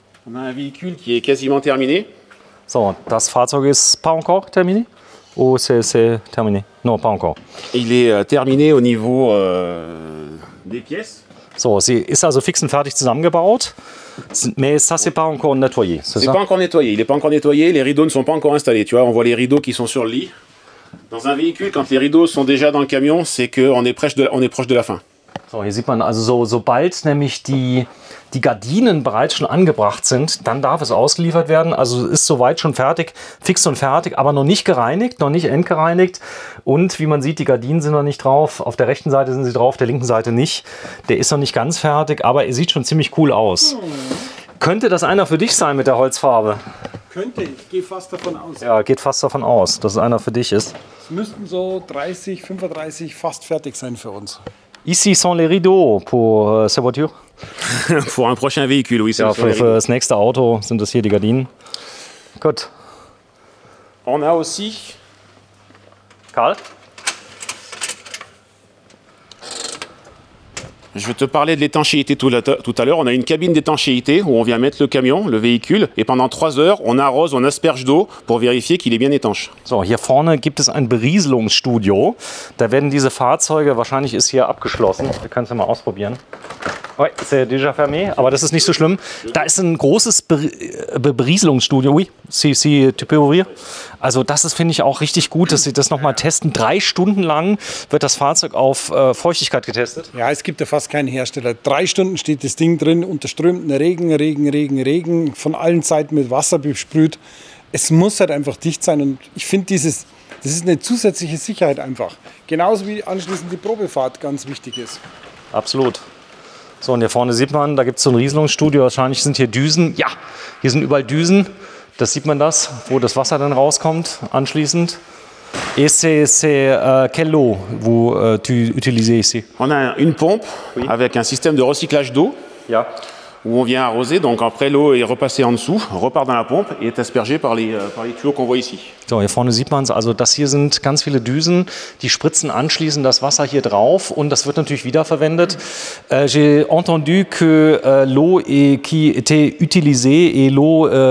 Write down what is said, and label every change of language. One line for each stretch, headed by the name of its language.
French: On a un véhicule qui est quasiment terminé.
German: So, das Fahrzeug ist
French: pas encore terminé? Ou c'est terminé? Non, pas encore. Il est terminé au niveau des pièces.
German: So, sie ist also fix und fertig zusammengebaut.
French: Mais ça, c'est pas encore nettoyé. C'est pas encore nettoyé. Il est pas encore nettoyé. Les rideaux ne sont pas encore installés. Tu vois, on voit les rideaux qui sont sur le lit. Dans un véhicule, quand les rideaux sont déjà dans le camion, c'est qu'on est proche de la fin.
German: So, hier sieht man also, sobald nämlich die Gardinen bereits schon angebracht sind, dann darf es ausgeliefert werden. Also ist soweit schon fertig, fix und fertig, aber noch nicht gereinigt, noch nicht endgereinigt. Und wie man sieht, die Gardinen sind noch nicht drauf. Auf der rechten Seite sind sie drauf, der linken Seite nicht. Der ist noch nicht ganz fertig, aber er sieht schon ziemlich cool aus. Hm. Könnte das einer für dich sein mit der Holzfarbe? Könnte, ich gehe fast davon aus. Ja, geht fast davon aus, dass es einer für dich ist. Es müssten so 30, 35 fast fertig sein für uns.
French: Ici sont les rideaux pour cette voiture. Pour un prochain véhicule, oui.
German: Ja, für das nächste Auto sind das hier die Gardinen. Gut.
French: On a aussi... Karl? Je te parlais de l'étanchéité tout à l'heure. On a une cabine d'étanchéité où on vient mettre le camion, le véhicule, et pendant 3 heures, on arrose, on asperge d'eau pour vérifier qu'il est bien étanche.
German: So, hier vorne gibt es ein Berieselungsstudio. Da werden diese Fahrzeuge, wahrscheinlich ist hier abgeschlossen. Wir können es mal ausprobieren.
French: Oui, c'est déjà fermé,
German: aber das ist nicht so schlimm. Da ist ein großes Berieselungsstudio.
French: Oui, si, tu peux ouvrir.
German: Also das ist, finde ich, auch richtig gut, dass sie das nochmal testen. 3 Stunden lang wird das Fahrzeug auf Feuchtigkeit getestet. Ja, es gibt ja fast keinen Hersteller. 3 Stunden steht das Ding drin unter strömenden Regen, von allen Seiten mit Wasser besprüht. Es muss halt einfach dicht sein und ich finde dieses, das ist eine zusätzliche Sicherheit einfach. Genauso wie anschließend die Probefahrt ganz wichtig ist. Absolut. So, und hier vorne sieht man, da gibt es so ein Rieselungsstudio. Wahrscheinlich sind hier Düsen. Ja, hier sind überall Düsen. Das sieht man das, wo das Wasser dann rauskommt anschließend.
French: Et c'est quelle eau vous tu utilisez ici? On a une pompe, oui, avec un système de recyclage d'eau.
German: Ja.
French: Où on vient arroser, donc après l'eau est repassée en dessous, repart dans la pompe et est aspergée par les tuyaux qu'on voit ici.
German: So, hier vorne sieht man es, also das hier sind ganz viele Düsen, die spritzen anschließend das Wasser hier drauf und das wird natürlich wiederverwendet.
French: J'ai entendu que l'eau qui était utilisée et l'eau